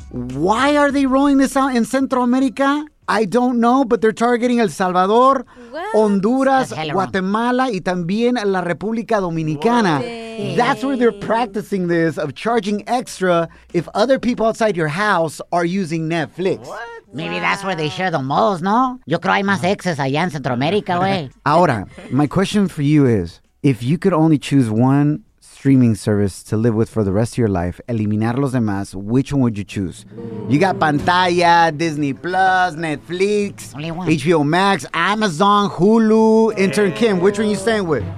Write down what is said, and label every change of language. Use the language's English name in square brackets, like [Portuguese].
[English] Why are they rolling this out in Central America? I don't know, but they're targeting El Salvador, Honduras, Guatemala, [Spanish] y también la República Dominicana. [English] That's where they're practicing this, of charging extra if other people outside your house are using Netflix. Maybe that's where they share the most, no? [Spanish] Yo creo hay más exes allá en Centroamérica, güey. [English] Ahora, my question for you is, if you could only choose one streaming service to live with for the rest of your life, [Spanish] eliminar los demás, [English] which one would you choose? You got Pantalla, Disney Plus, Netflix, HBO Max, Amazon, Hulu, Intern Kim, which one are you staying with?